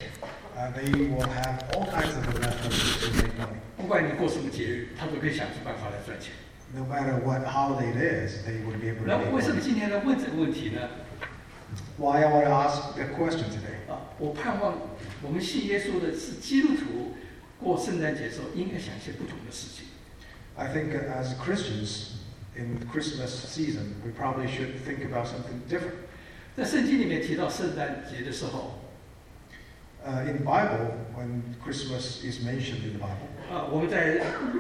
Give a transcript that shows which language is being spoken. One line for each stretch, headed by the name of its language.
English: They will have all kinds of investments to make money.
Chinese: 不管你过什么节日，他都可以想出办法来赚钱。
English: No matter what holiday it is, they would be able to make money.
Chinese: 那为什么今天要问这个问题呢？
English: Why I want to ask a question today?
Chinese: 我盼望我们信耶稣的是基督徒过圣诞节的时候应该想一些不同的事情。
English: I think as Christians in Christmas season, we probably should think about something different.
Chinese: 在圣经里面提到圣诞节的时候。
English: In the Bible, when Christmas is mentioned in the Bible,